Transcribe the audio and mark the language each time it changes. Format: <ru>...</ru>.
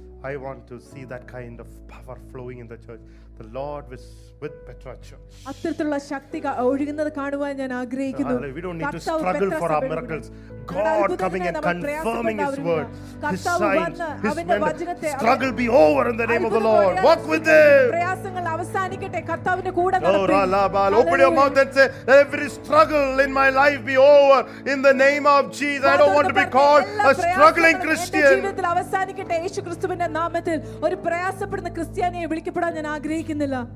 <en>I want to see that kind of power flowing in the church. The Lord was with Petra church.</en> <ml>അത്തരത്തിലുള്ള ശക്തി ഒഴുകുന്നത് കാണുവാൻ ഞാൻ ആഗ്രഹിക്കുന്നു.</ml> <en>We don't need to struggle for our miracles. God coming and confirming his word. His signs, his wonders. Struggle be over in the name of the Lord. Walk with him.</en> <ml>പ്രയാസങ്ങൾ അവസാനിക്കട്ടെ. കർത്താവിന്റെ കൂടെ നടക്കട്ടെ.</ml> <en>Open your mouth and say, every struggle in my life be over in the name of Jesus. I don't want to be called a struggling Christian.</en> <ml>ജീവിതത്തിൽ അവസാനിക്കട്ടെ. യേശുക്രിസ്തുവിന്റെ നാമത്തിൽ ഒരു പ്രയാസപ്പെടുന്ന ക്രിസ്ത്യാനിയെ വിളിക്കപ്പെടാൻ ഞാൻ ആഗ്രഹിക്കുന്നില്ല.</ml>